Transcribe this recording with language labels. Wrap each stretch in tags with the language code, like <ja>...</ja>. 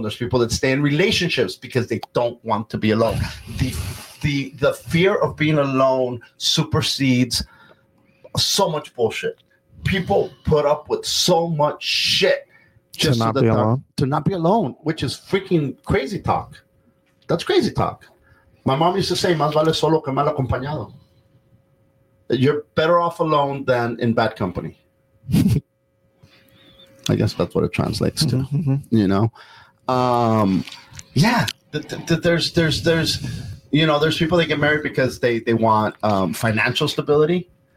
<en>There's people that stay in relationships because they don't want to be alone. The fear of being alone supersedes so much bullshit. People put up with so much shit just to not be alone. To not be alone, which is freaking crazy talk. That's crazy talk. My mom used to say,</en> <es>más vale solo que mal acompañado.</es> <en>You're better off alone than in bad company. I guess that's what it translates to, you know? Yeah, there's you know, there's people that get married because they want financial stability.</en>